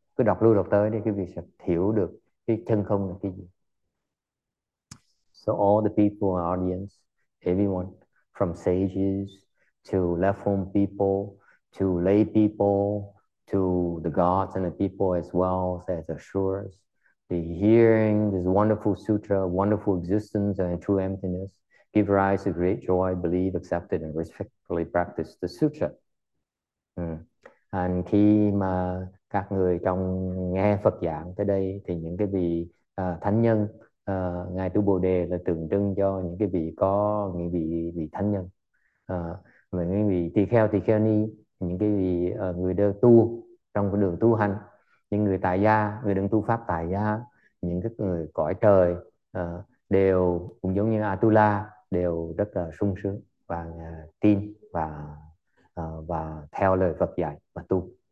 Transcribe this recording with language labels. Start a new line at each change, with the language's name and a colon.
Vietnamese: Cứ đọc lưu đọc tới đi, cái vị sẽ hiểu được cái chân không là cái gì.
English: So all the people in the audience, everyone, from sages to left-home people to lay people to the gods and the people as well as asuras, the hearing this wonderful sutra, wonderful existence and true emptiness, give rise to great joy, believe, accepted, and respectfully practice the sutra.
Vietnamese: And khi mà các người trong nghe Phật giảng tới đây, thì những cái vị thánh nhân, Ngài Tu Bồ Đề là tượng trưng cho những cái vị có những vị thánh nhân, và những vị tỳ kheo ni, những cái vị người đơ tu trong cái đường tu hành, những người tại gia, người đơn tu pháp tại gia, những cái người cõi trời đều cũng giống như Atula đều rất là sung sướng và tin và theo lời Phật dạy và tu.